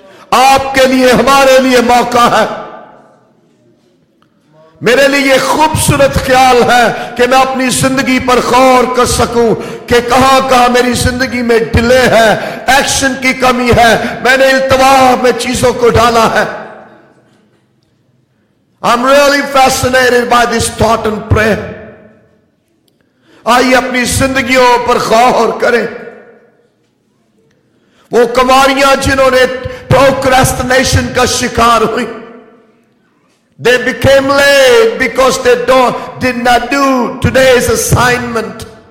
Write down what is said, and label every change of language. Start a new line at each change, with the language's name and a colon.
Urdu: آپ کے لیے, ہمارے لیے موقع ہے. میرے لیے یہ خوبصورت خیال ہے کہ میں اپنی زندگی پر غور کر سکوں کہ کہاں کہاں میری زندگی میں ڈیلے ہے, ایکشن کی کمی ہے, میں نے التوا میں چیزوں کو ڈالا ہے.
English: I'm really fascinated by this thought and prayer.
Urdu: آئیے اپنی زندگیوں پر غور کریں. وہ کماریاں جنہوں نے پروکراسٹینیشن کا شکار ہوئی,
English: they became late because they did not do today's assignment.